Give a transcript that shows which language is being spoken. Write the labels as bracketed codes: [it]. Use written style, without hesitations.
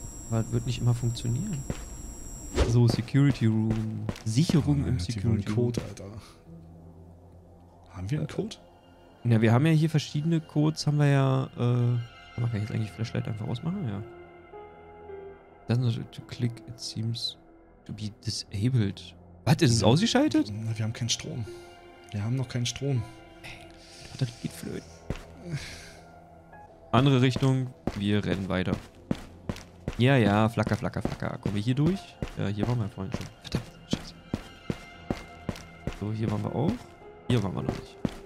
[de] Weil das wird nicht immer funktionieren. So, Security Room. Sicherung im Security Room. Code, Alter. Haben wir einen Code? Ja, wir haben ja hier verschiedene Codes, haben wir ja, kann ich jetzt eigentlich Flashlight einfach ausmachen? Ja. Dann so, [en] to click, it seems to be disabled. [de] Was, ist es ausgeschaltet? Na, wir haben keinen Strom. Wir haben noch keinen Strom. Ey, das geht flöten. Andere Richtung, wir rennen weiter. Ja, flacker, flacker, flacker. Kommen wir hier durch? Ja, hier waren wir vorhin schon. Verdammt, scheiße. So, hier waren wir auch. Hier waren wir noch nicht.